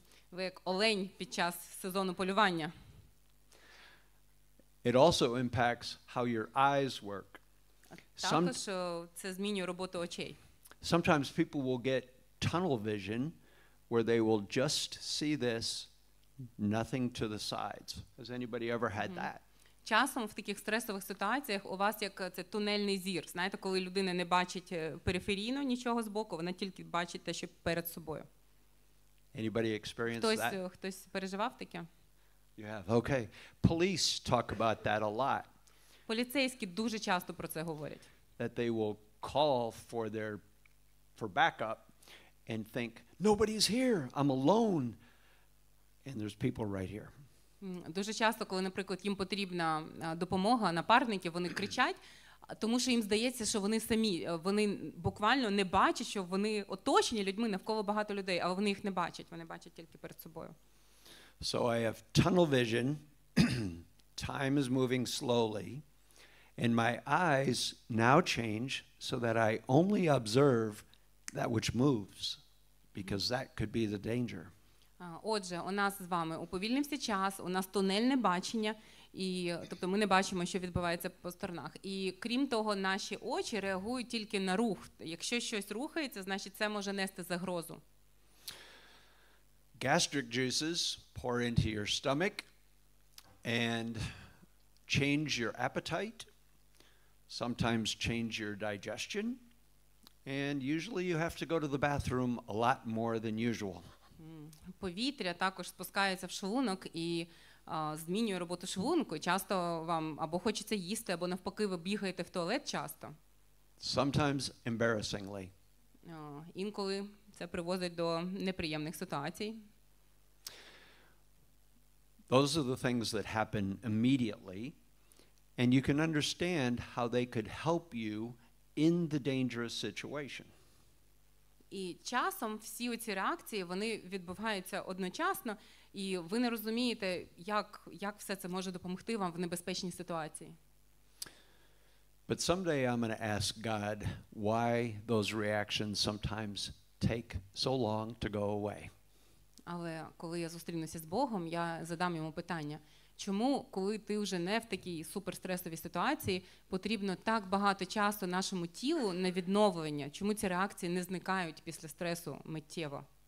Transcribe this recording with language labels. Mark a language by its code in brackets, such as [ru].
[uk] Ви як олень під час сезону полювання. [en] It also impacts how your eyes work. [uk] Також це змінює роботу очей. [en] Sometimes people will get tunnel vision where they will just see this, nothing to the sides. Has anybody ever had that? [uk] Часом в таких стресових ситуаціях у вас як це тунельний зір. Знаєте, коли людина не бачить периферійно нічого збоку, вона тільки бачить те, що перед собою. [en] Anybody experience that? [uk] Хтось переживав таке? [en] You have. Okay. Police talk about that a lot. [uk] Поліцейські дуже часто про це говорять. [en] That they will call for backup and think nobody's here. I'm alone. And there's people right here. [uk] Дуже часто, коли, наприклад, їм потрібна допомога, напарників, вони кричать, тому що їм здається, що вони самі, вони буквально не бачать, що вони оточені людьми, навколо багато людей, але вони їх не бачать, вони бачать тільки перед собою. [en] So I have tunnel vision, time is moving slowly, and my eyes now change so that I only observe that which moves, because that could be the danger. [uk] Отже, у нас з вами уповільнився час, у нас тунельне бачення, і, тобто ми не бачимо, що відбувається по сторонах. І крім того, наші очі реагують тільки на рух. Якщо щось рухається, значить це може нести загрозу. [en] Gastric juices pour into your stomach and change your appetite, sometimes change your digestion, and usually you have to go to the bathroom a lot more than usual. [uk] Повітря також спускається в шлунок і змінює роботу шлунку. Часто вам або хочеться їсти, або навпаки, ви бігаєте в туалет часто. [en] Sometimes embarrassingly. [uk] Інколи це приводить до неприємних ситуацій. [en] Those are the things that happen immediately, and you can understand how they could help you in the dangerous situation. [uk] І часом всі ці реакції, вони відбуваються одночасно, і ви не розумієте, як все це може допомогти вам в небезпечній ситуації. [en] But someday I'm going to ask God why those reactions sometimes take so long to go away. [uk] Але коли я зустрінуся з Богом, я задам йому питання. Чому, коли ти вже не в такій суперстресовій ситуації, потрібно так багато часу нашому тілу на відновлення? Чому ці реакції не зникають після стресу миттєво?